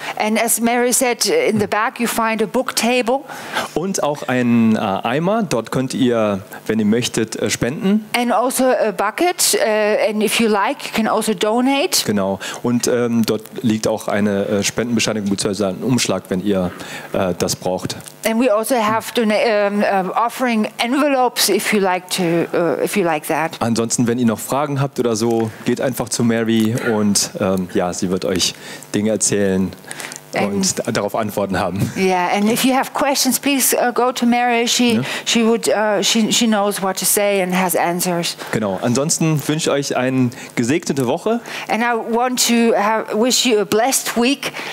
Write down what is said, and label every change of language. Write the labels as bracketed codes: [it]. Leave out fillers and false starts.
[en] And as Mary said, in the back you find a book table. [de] Und auch einen Eimer. Dort könnt ihr, wenn ihr möchtet, spenden. [en] And also a bucket. And if you like, you can also donate. [de] Genau. Und dort liegt auch eine Spendenbescheinigung bzw. ein Umschlag, wenn ihr das braucht. [en] And we also have offering envelopes if you like to if you like that. [de] Ansonsten, wenn ihr noch Fragen habt oder so, geht einfach zu Mary und ja, sie wird euch Dinge erzählen und darauf Antworten haben. [en] Yeah, and if you have questions, please go to Mary. She knows what to say and has answers. [de] Genau. Ansonsten wünsche ich euch eine gesegnete Woche. [en] And I want to wish you a blessed week.